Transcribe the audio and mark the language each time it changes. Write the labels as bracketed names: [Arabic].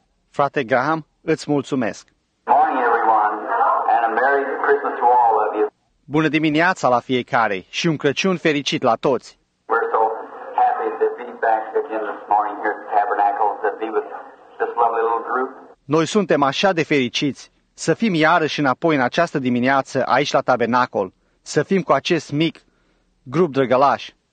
[Romanian] Frate Graham, îți mulțumesc. [English] Morning, everyone, and a Merry Christmas to all of you. [Romanian] Bună dimineața la fiecare și un Crăciun fericit la toți. [English] We're so happy to be back again this morning here at the Tabernacle to be with this lovely little group. [Romanian] Noi suntem așa de fericiți să fim iarăși înapoi în această dimineață aici la Tabernacol, să fim cu acest mic grup drăgălaș.